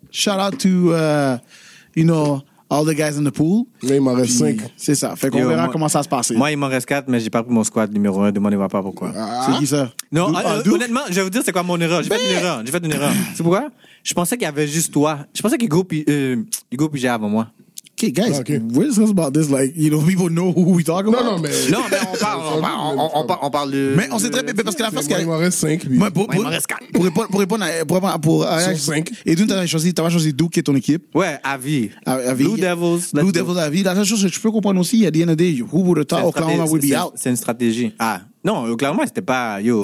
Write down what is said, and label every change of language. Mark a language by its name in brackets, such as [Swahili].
[English] shout out to, you know, all the guys in the pool. [French] Là, il m'en reste 5. C'est ça. Fait qu'on verra comment ça se passe. Moi, il m'en reste 4, mais j'ai pas pris mon squad numéro 1. Demandez-moi pas pourquoi. C'est qui ça? Non, honnêtement, je vais vous dire c'est quoi mon erreur. J'ai fait une erreur. C'est pourquoi? Je pensais qu'il y avait juste toi. Je pensais qu'Hugo pigeait avant moi. [English] OK, guys, okay. We're discussing about this. Like, you know, people know who we talk about. [French] Non, mais on parle de... Mais on sait très bien, parce que la face... Moi, il m'en reste 5. Moi, il m'en reste 4. Pour répondre à... Sur 5. Et d'où t'as choisi Duke, qui est ton équipe? Ouais, à vie. À vie. Blue Devils, à vie. La seule chose que je peux comprendre aussi, [English] à the end of the day, who would have thought Oklahoma would be out? [French] C'est une stratégie. Ah, non, clairement, c'était pas... Yo.